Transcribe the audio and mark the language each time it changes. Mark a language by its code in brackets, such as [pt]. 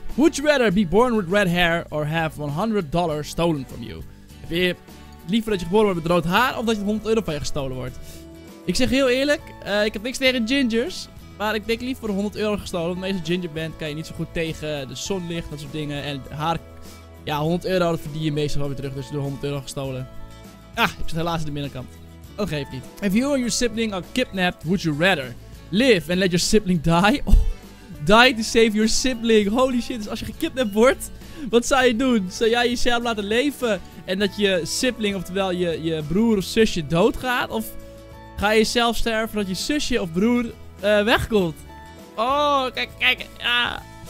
[en] Would you rather be born with red hair, or have $100 stolen from you? [nl] Heb je... liever dat je geboren wordt met rood haar of dat je €100 van je gestolen wordt. Ik zeg heel eerlijk, ik heb niks tegen gingers. Maar ik denk liever voor €100 gestolen. Want meestal ginger bent kan je niet zo goed tegen de zonlicht, dat soort dingen. En haar, ja, €100 dat verdien je meestal wel weer terug. Dus door €100 gestolen. Ah, ik zit helaas in de binnenkant. Dat geeft niet. [en] If you and your sibling are kidnapped, would you rather live and let your sibling die? Oh, die to save your sibling. Holy shit, [nl] dus als je gekidnapt wordt... wat zou je doen? Zou jij jezelf laten leven en dat je sibling, oftewel je broer of zusje, doodgaat? Of ga je zelf sterven dat je zusje of broer wegkomt? Oh, kijk. Ja.